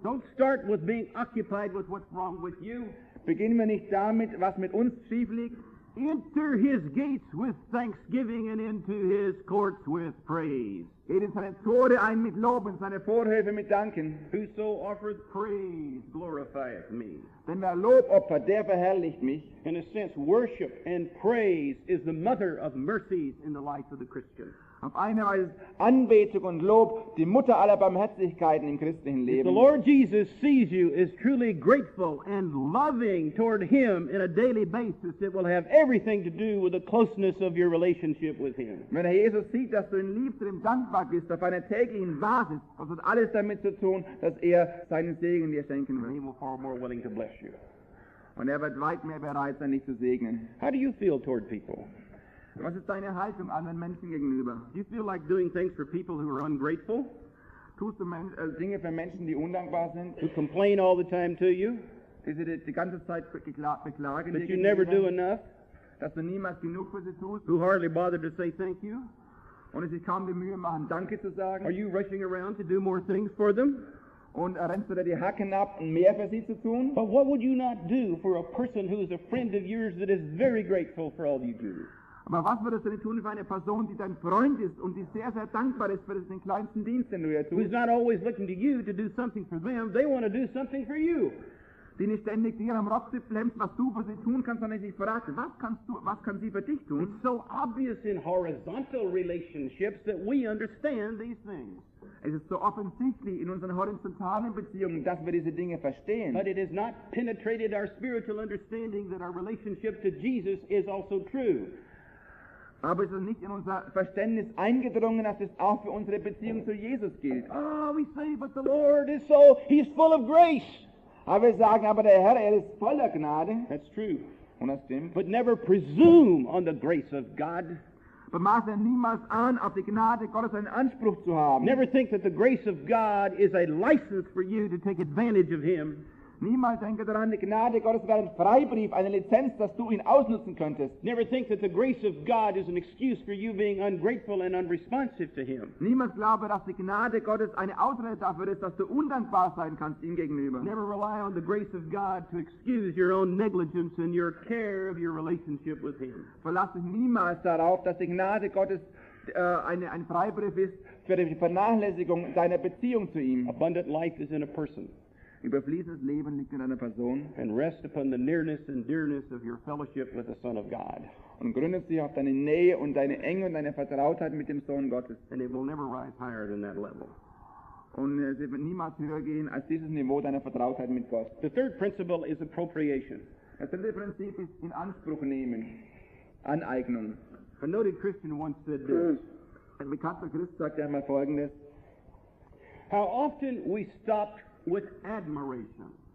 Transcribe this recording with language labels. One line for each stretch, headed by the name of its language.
English: Don't start with being occupied with what's wrong with you.
German: Beginnen wir nicht damit, was mit uns schief liegt.
English: Enter his gates with thanksgiving and into his courts with praise.
German: Geht in seine Tore ein mit Lob und seine Vorhöfe mit Danken.
English: Whoso offereth praise glorifieth me.
German: Denn wer Lob opfert, der verherrlicht mich.
English: In a sense, worship and praise is the mother of mercies in the life of the Christian.
German: Auf eine Weise ist Anbetung und Lob die Mutter aller Barmherzigkeiten im christlichen Leben.
English: The Lord Jesus sees you is truly grateful and loving toward him in a daily basis. It will have everything to do with the closeness of your relationship with him.
German: Wenn der Jesus sieht, dass du in Liebe zu ihm dankbar bist, auf einer täglichen Basis, das hat alles damit zu tun, dass er seinen Segen dir schenken wird.
English: He will far more willing to bless you.
German: Und er wird weit mehr bereit sein, dich zu segnen.
English: How do you feel toward people?
German: Was ist deine Haltung anderen Menschen gegenüber?
English: Do you feel like doing things for people who are ungrateful?
German: Tust du Dinge für Menschen, die undankbar sind?
English: Who complain all the time to you?
German: Die sie die ganze Zeit beklagen.
English: That you never do enough?
German: Dass du niemals genug für sie tust?
English: Who hardly bother to say thank you?
German: Und sie kaum die Mühe machen, Danke zu sagen?
English: Are you rushing around to do more things for them?
German: Und rennst du dir die Hacken ab, um mehr für sie zu tun?
English: But what would you not do for a person who is a friend of yours that is very grateful for all you do?
German: Aber was würdest du denn tun für eine Person, die dein Freund ist und die sehr, sehr dankbar ist für den kleinsten Dienst, den du ihr tust?
English: Who's not always looking to you to do something for them, they want to do something for you.
German: Die nicht ständig dir am Rockzipfel hemmt, was du für sie tun kannst, sondern sich fragt, was kann sie für dich tun?
English: It's so obvious in horizontal relationships that we understand these things.
German: Es ist so offensichtlich in unseren horizontalen Beziehungen, dass wir diese Dinge verstehen.
English: But it has not penetrated our spiritual understanding that our relationship to Jesus is also true.
German: Aber es ist nicht in unser Verständnis eingedrungen, dass es auch für unsere Beziehung zu Jesus gilt.
English: Oh, we say, but the Lord is so, he's full of grace.
German: Aber wir sagen, aber der Herr, er ist voller Gnade.
English: That's true.
German: Und das stimmt.
English: But never presume on the grace of God.
German: Maße niemals an, auf die Gnade Gottes einen Anspruch zu haben.
English: Never think that the grace of God is a license for you to take advantage of him.
German: Niemals denke daran, die Gnade Gottes wäre ein Freibrief, eine Lizenz, dass du ihn ausnutzen könntest.
English: Never think that the grace of God is an excuse for you being ungrateful and unresponsive to him.
German: Niemals glaube, dass die Gnade Gottes eine Ausrede dafür ist, dass du undankbar sein kannst ihm gegenüber.
English: Never rely on the grace of God to excuse your own negligence and your care of your relationship with him.
German: Verlass dich niemals darauf, dass die Gnade Gottes ein Freibrief ist für die Vernachlässigung deiner Beziehung zu ihm.
English: Abundant life is in a person.
German: Überfließendes Leben liegt in einer Person.
English: And rest upon the nearness and dearness of your fellowship with the Son of God.
German: Und gründet sich auf deine Nähe und deine Enge und deine Vertrautheit mit dem Sohn Gottes.
English: And it will never rise higher than that level.
German: Und es wird niemals höher gehen als dieses Niveau deiner Vertrautheit mit Gott.
English: The third principle is appropriation.
German: Das dritte Prinzip ist in Anspruch nehmen, Aneignung.
English: A noted Christian once said this.
German: Ein bekannter Christ sagte einmal Folgendes:
English: How often we stopped with admiration.